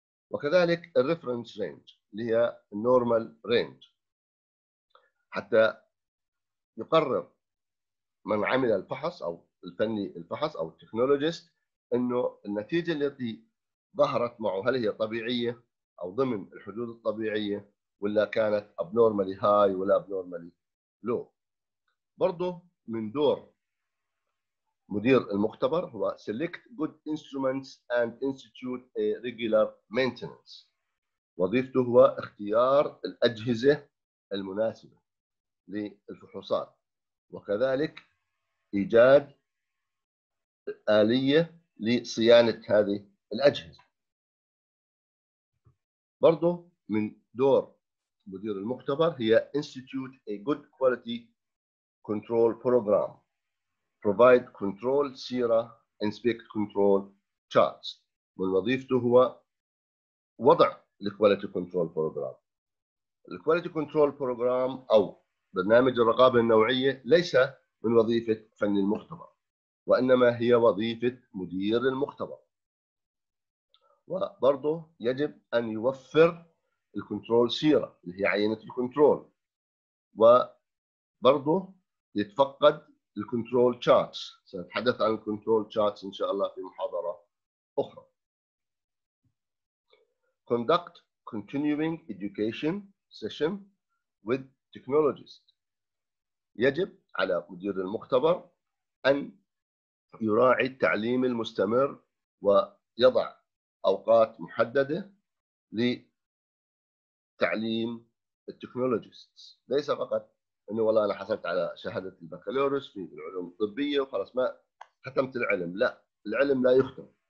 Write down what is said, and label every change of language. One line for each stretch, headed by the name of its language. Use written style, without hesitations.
Arabic: وكذلك الريفرنس رينج اللي هي النورمال رينج، حتى يقرر من عمل الفحص أو الفني الفحص أو التكنولوجيست أنه النتيجة التي ظهرت معه هل هي طبيعية أو ضمن الحدود الطبيعية، ولا كانت
English: abnormally high
Arabic: ولا
English: abnormally low.
Arabic: برضو من دور مدير المختبر هو
English: select good instruments and institute a regular maintenance.
Arabic: وظيفته هو اختيار الأجهزة المناسبة للفحوصات، وكذلك إيجاد آلية لصيانة هذه الأجهزة. برضو من دور مدير المختبر هي
English: institute a good quality control program, provide control sera, inspect control charts.
Arabic: من وظيفته هو وضع الكواليتي كنترول بروجرام. الكواليتي كنترول بروجرام أو برنامج الرقابة النوعية ليس من وظيفة فني المختبر، وإنما هي وظيفة مدير المختبر. وبرضه يجب أن يوفر الكنترول سيرة اللي هي عينة الكنترول، وبرضه يتفقد الكنترول تشارتس. سنتحدث عن الكنترول تشارتس إن شاء الله في محاضرة أخرى.
English: Conduct continuing education session with technologist.
Arabic: يجب على مدير المختبر أن يراعي التعليم المستمر ويضع أوقات محددة لتعليم التكنولوجيست. ليس فقط أنه والله أنا حصلت على شهادة البكالوريوس في العلوم الطبية وخلاص ما ختمت العلم، لا، العلم لا يختم.